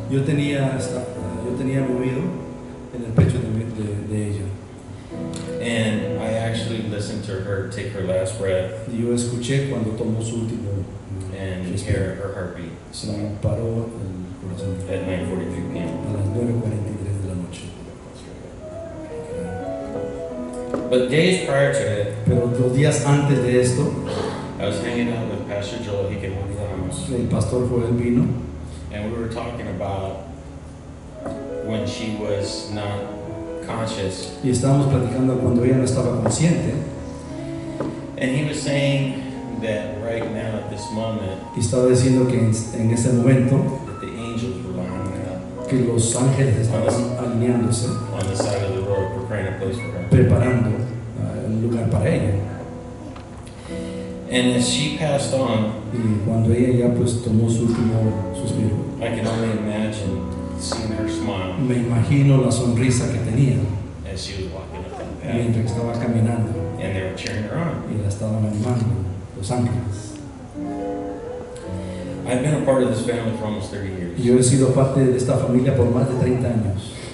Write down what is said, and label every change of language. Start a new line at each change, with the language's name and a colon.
Spanish: Yo tenía mi oído en el pecho de ella.
English: And I actually listened to her take her last breath.
Spanish: Yo escuché cuando tomó su último.
English: And hear her heartbeat.
Spanish: Se me paró el corazón.
English: At 9:43 p.m.
Spanish: A las 9:43 de la noche.
English: But days prior to it,
Spanish: pero dos días antes de esto,
English: I was hanging out with Pastor Joel. He came over to the house.
Spanish: El pastor Joel vino,
English: and we were talking about when she was not conscious.
Spanish: Y estábamos platicando cuando ella no estaba consciente.
English: And he was saying that right now, at this moment,
Spanish: y estaba diciendo que en ese momento,
English: that the angels were lining up,
Spanish: que los ángeles estaban alineándose,
English: on the side of the road, preparing a place for her.
Spanish: Preparando un lugar para ella.
English: And as she passed on,
Spanish: y cuando ella ya pues tomó su último suspiro,
English: I can only imagine seeing her smile.
Spanish: Me imagino la sonrisa que tenía
English: as she was walking up the path.
Spanish: Mientras estaba caminando.
English: And they were cheering her on.
Spanish: Y la estaban animando, los ángeles.
English: I've been a part of this family for almost 30 years.
Spanish: Yo he sido parte de esta familia por más de 30 años.